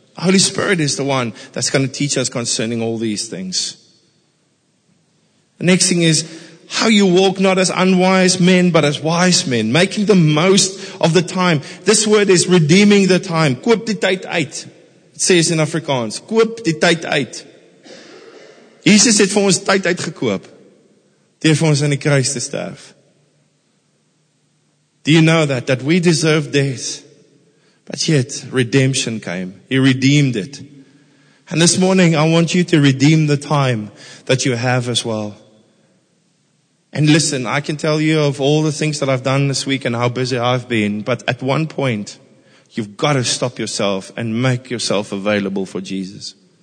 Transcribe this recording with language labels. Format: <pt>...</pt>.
<en>Holy Spirit is the one that's going to teach us concerning all these things. The next thing is how you walk, not as unwise men, but as wise men, making the most of the time. This word is redeeming the time.</en> <af>Koop die tyd uit.</af> <en>It says in Afrikaans.</en> <af>Koop die tyd uit. Jesus het vir ons tyd uitgekoop. Deur vir ons aan die kruis te sterf.</af> <en>Do you know that we deserve death? But yet, redemption came. He redeemed it. And this morning, I want you to redeem the time that you have as well. And listen, I can tell you of all the things that I've done this week and how busy I've been, but at one point, you've got to stop yourself and make yourself available for Jesus.</en>